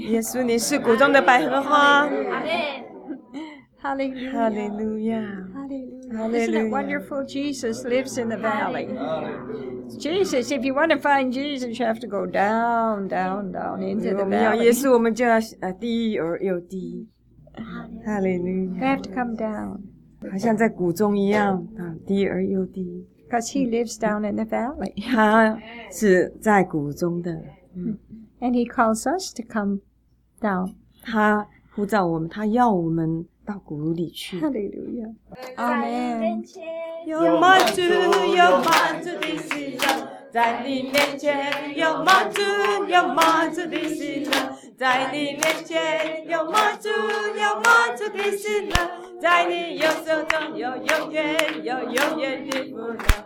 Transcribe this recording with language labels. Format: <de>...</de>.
<zh>耶稣，你是谷中的百合花。</zh> <en>Hallelujah. Hallelujah. Hallelujah. Isn't it wonderful? Jesus lives in the valley. Jesus, if you want to find Jesus, you have to go down, down, down into the valley.</en> <zh>我们要耶稣，我们就要低而又低。</zh> <en>Hallelujah. You have to come down.</en> <zh>好像在谷中一样，低而又低。</zh> <en>Because he lives down in the valley.</en> <zh>他是在谷中的。</zh> <en>And he calls us to come down.</en> <zh>他呼召我们，他要我们到谷里去。哈利路亚。阿门。有满足，有满足的喜乐，在你面前有满足，有满足的喜乐，在你面前有满足，有满足的喜乐，在你右手中有永远，有永远的福乐，</zh>